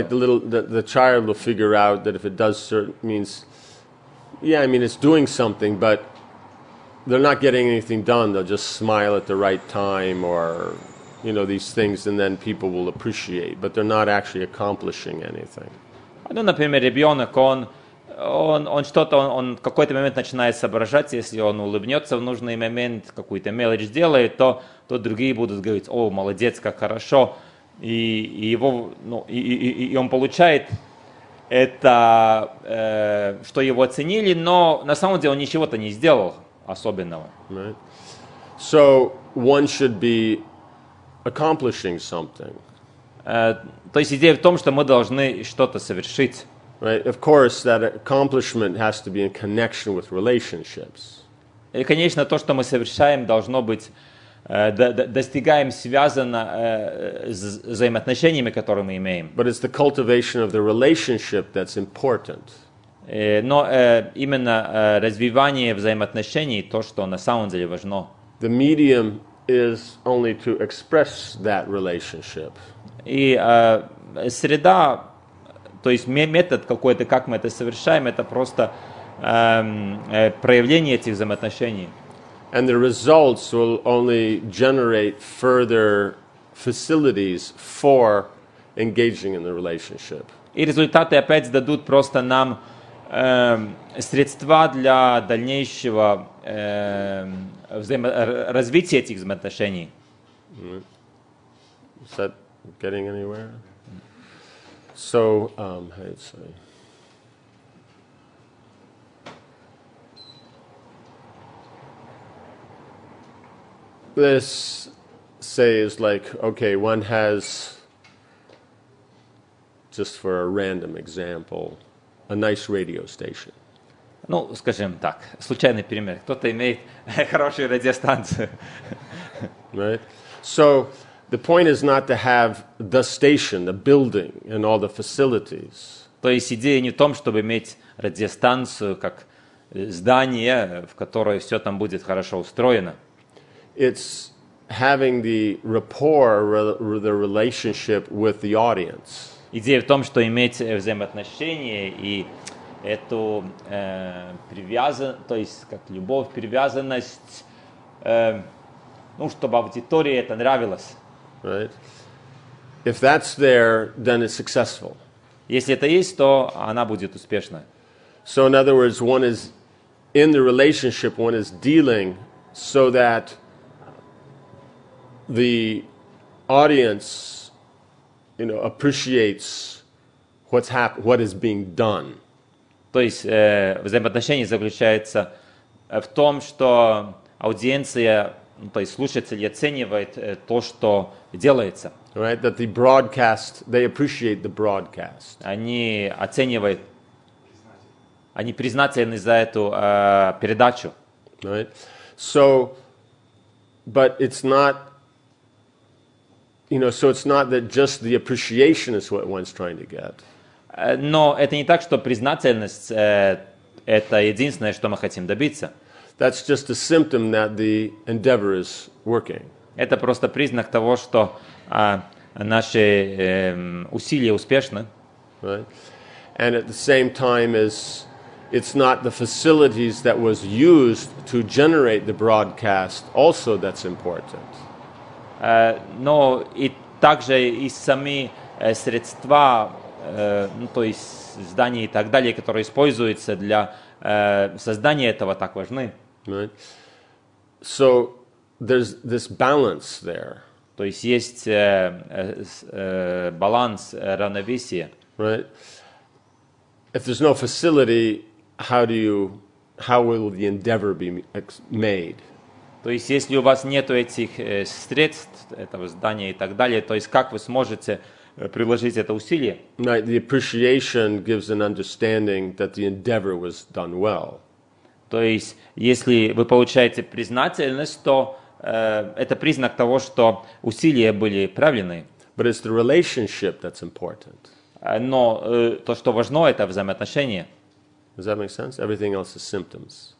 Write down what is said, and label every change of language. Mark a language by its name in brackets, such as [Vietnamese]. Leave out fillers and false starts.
[English] Like the child will figure out that if it does certain means, yeah, I mean, it's doing something, but they're not getting anything done. They'll just smile at the right time or, you know, these things, and then people will appreciate, but they're not actually accomplishing anything. [Russian] Ну, например, ребенок, он в какой-то момент начинает соображать, если он улыбнется в нужный момент, какую-то мелочь сделает, то другие будут говорить, о, молодец, как хорошо, и он получает это, что его оценили, но на самом деле он ничего-то не сделал особенного. [English] Right. So one should be accomplishing something. [Russian] То есть идея в том, что мы должны что-то совершить. [English] Right. Of course, that accomplishment has to be in connection with relationships. [Russian] И, конечно, то, что мы совершаем, должно быть, достигаем, связано с взаимоотношениями, которые мы имеем. [English] But it's the cultivation of the relationship that's important. [Russian] Но именно развивание взаимоотношений, то, что на самом деле важно. [English] The medium is only to express that relationship. [Russian] И среда, то есть метод какой-то, как мы это совершаем, это просто проявление этих взаимоотношений. [English] And the results will only generate further facilities for engaging in the relationship. [Russian] И результаты опять дадут просто нам средства для дальнейшего развития этих взаимоотношений. [English] Mm-hmm. Is that getting anywhere? So, how do you say? This, say, is like, okay, one has, just for a random example, a nice radio station. [Russian] Ну, скажем так, случайный пример. Кто-то имеет хорошую радиостанцию. [English] Right? So, the point is not to have the station, the building, and all the facilities. [Russian] То есть идея не в том, чтобы иметь радиостанцию как здание, в которое все там будет хорошо устроено. [English] It's having the rapport, the relationship with the audience. [Russian] Идея в том, что иметь взаимоотношения и эту привязанность, то есть как любовь, привязанность, ну, чтобы аудитории это нравилось. [English] Right. If that's there, then it's successful. [Russian] Если это есть, то она будет успешна. [English] So, in other words, one is in the relationship, one is dealing so that the audience, you know, appreciates what is being done. [Russian] То есть взаимоотношение заключается в том, что аудиенция, то есть слушатель, оценивает то, что делается. [English] Right, that the broadcast, they appreciate the broadcast. [Russian] Они оценивают, они признательны за эту передачу. [English] Right, so, but it's not, you know, so it's not that just the appreciation is what one's trying to get. [Russian] Но это не так, что признательность это единственное, что мы хотим добиться. [English] That's just a symptom that the endeavor is working. [Russian] Это просто признак того, что наши усилия успешны. [English] Right. And at the same time, is it's not the facilities that was used to generate the broadcast also that's important. [Russian] Но и также и сами средства, ну, то есть здания и так далее, которые используются для создания этого, так важны. [English] Right. So there's this balance there. [Russian] То есть есть баланс, равновесие. [English] Right. If there's no facility, how will the endeavor be made? [Russian] То есть, если у вас нет этих средств, этого здания и так далее, то есть, как вы сможете приложить это усилие? [English] Right, the appreciation gives an understanding that the endeavor was done well. [Russian] То есть, если вы получаете признательность, то это признак того, что усилия были проявлены. [English] But it's the relationship that's important. [Russian] Но то, что важно, это взаимоотношения. [English] Does that make sense? Everything else is symptoms.